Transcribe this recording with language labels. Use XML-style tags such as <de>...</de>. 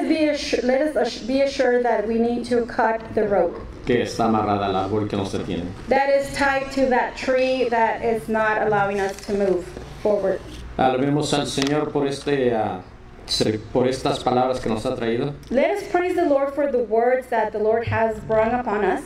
<en>Let us be assured that we need to cut the rope.</en> <es>Que está amarrada al árbol que nos detiene.</es> <en>That is tied to that tree that is not allowing us to move forward.</en> <es>Alabemos al Señor por este por estas palabras que nos ha traído.</es> <en>Let us praise the Lord for the words that the Lord has brought upon us.</en>